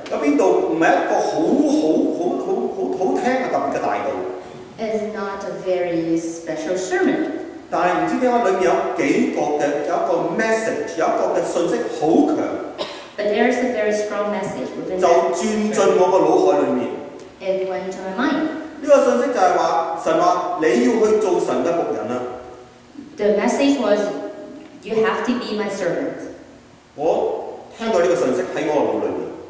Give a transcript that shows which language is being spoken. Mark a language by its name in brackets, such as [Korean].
[Cantonese] 有邊度唔係一個好聽嘅特別嘅大道。 [English] Is not a very special sermon. [Cantonese] 但係唔知點解裏面有幾個嘅有一個 message， 有一個嘅信息好強。 [English] But there is a very strong message within. [Cantonese] 就轉進我個腦海裡面。 [English] It went to my mind. [Cantonese] 呢個信息就係話神話你要去做神嘅仆人啦。 [English] The message was you have to be my servant. [Cantonese] 我聽到呢個信息喺我腦裡面。